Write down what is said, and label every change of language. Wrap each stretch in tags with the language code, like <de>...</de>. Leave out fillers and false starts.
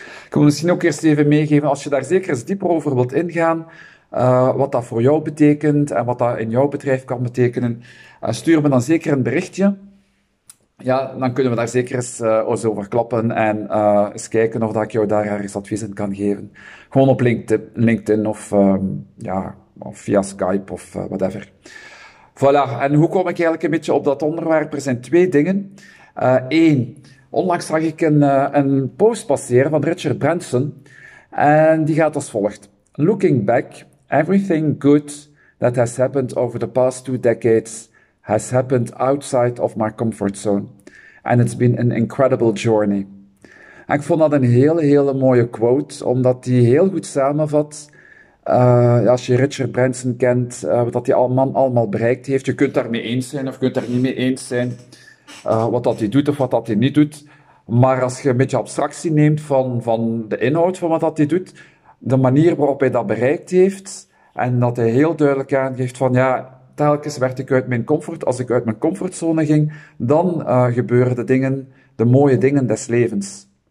<nl>Ik wil misschien ook eerst even meegeven, als je daar zeker eens dieper over wilt ingaan, wat dat voor jou betekent en wat dat in jouw bedrijf kan betekenen, stuur me dan zeker een berichtje. Ja, dan kunnen we daar zeker eens over klappen en eens kijken of dat ik jou daar ergens advies in kan geven. Gewoon op LinkedIn of ja. Of via Skype of whatever. Voilà, en hoe kom ik eigenlijk een beetje op dat onderwerp? Er zijn twee dingen. Eén, onlangs zag ik een post passeren van Richard Branson. En die gaat als volgt.</nl> <en>Looking back, everything good that has happened over the past two decades has happened outside of my comfort zone. And it's been an incredible journey.</en> <nl>En ik vond dat een hele, hele mooie quote, omdat die heel goed samenvat. Als je Richard Branson kent, wat die man allemaal bereikt heeft, je kunt daarmee eens zijn of je kunt daar niet mee eens zijn, wat dat hij doet of wat dat hij niet doet. Maar als je een beetje abstractie neemt van de inhoud van wat dat hij doet, de manier waarop hij dat bereikt heeft, en dat hij heel duidelijk aangeeft van ja, telkens werd ik uit mijn comfort, als ik uit mijn comfortzone ging, dan gebeuren de dingen, de mooie dingen des levens.</nl>